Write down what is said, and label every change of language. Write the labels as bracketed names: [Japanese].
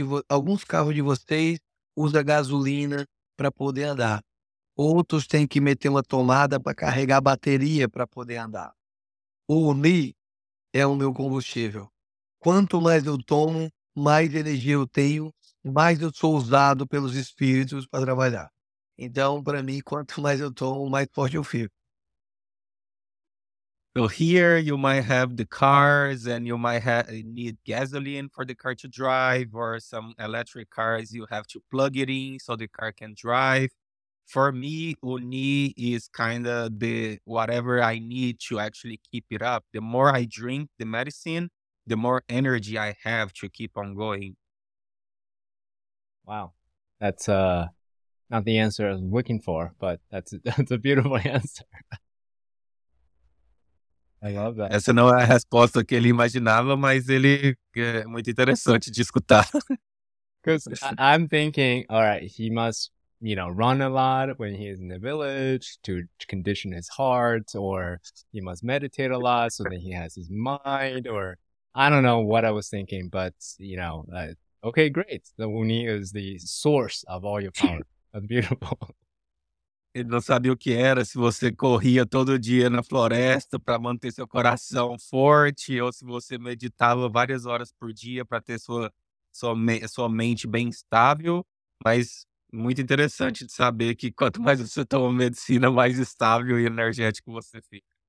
[Portuguese] Alguns carros de vocês usam gasolina para poder andar. Outros têm que meter uma tomada para carregar a bateria para poder andar. O Ni é o meu combustível. Quanto mais eu tomo, mais energia eu tenho, mais eu sou usado pelos espíritos para trabalhar. Então, para mim, quanto mais eu tomo, mais forte eu fico. [English] So here you might have the cars and you might need gasoline for the car to drive, or some electric cars you have to plug it in so the car can drive. For me, Uni is kind of the whatever I need to actually keep it up. The more I drink the medicine, the more energy I have to keep on going. Wow, that's not the answer I was looking for, but that's a beautiful answer. I love that. [Portuguese] Essa não é a resposta que ele imaginava, mas ele é muito interessante de escutar. [English] Because I'm thinking, all right, he must, you know, run a lot when he is in the village to condition his heart, or he must meditate a lot so that he has his mind, or I don't know what I was thinking, but, you know, okay, great. The Uni is the source of all your power. That's beautiful. [Portuguese] Ele não sabia o que era, se você corria todo dia na floresta para manter seu coração forte, ou se você meditava várias horas por dia para ter sua mente bem estável. Mas muito interessante de saber que quanto mais você toma medicina, mais estável e energético você fica.